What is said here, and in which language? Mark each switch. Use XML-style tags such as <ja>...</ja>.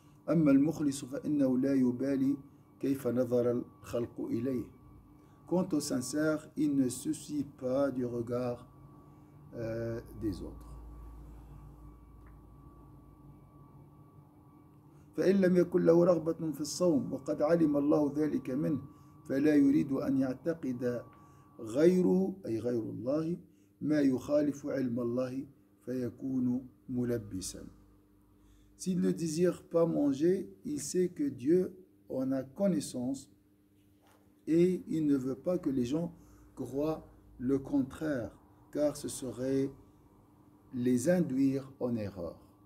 <ar>أما المخلص فإنه لا يبالي كيف نظر الخلق إليه.</ar> <fr>Quant au sincère, il ne se soucie pas du regard des autres.</fr> <ar>فإن لم يكن له رغبة في الصوم وقد علم الله ذلك منه فلا يريد أن يعتقد غيره أي غير الله ما يخالف علم الله فيكون ملبسا.</ar> <fr>S'il ne désire pas manger, il sait que Dieu en a connaissance. Et il ne veut pas que les gens croient le contraire, car ce serait les induire en erreur.</fr>